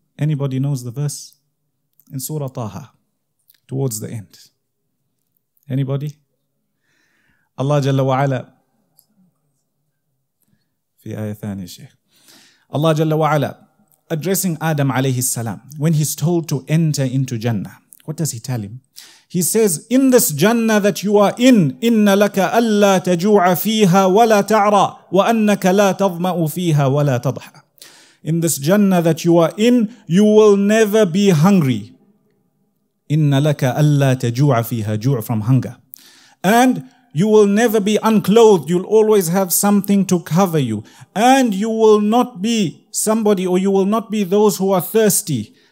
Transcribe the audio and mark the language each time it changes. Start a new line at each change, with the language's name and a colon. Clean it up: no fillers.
English: Anybody knows the verse? In Surah Taha, towards the end. Anybody? Allah jalla wa ala.
Arabic: في آية ثانية شيخ.
English: Allah jalla wa ala, addressing Adam alayhi salam, when he's told to enter into Jannah, what does he tell him? He says, in this Jannah that you are in,
Arabic: إِنَّ لَكَ أَلَّا تَجُوعَ فِيهَا وَلَا تَعْرَى وَأَنَّكَ لَا تَضْمَأُ فِيهَا وَلَا تَضْحَى.
English: In this Jannah that you are in, you will never be hungry.
Arabic: إِنَّ لَكَ أَلَّا تَجُوعَ فِيهَا.
English: Jew from hunger. And you will never be unclothed. You'll always have something to cover you. And you will not be somebody, or you will not be those who are thirsty.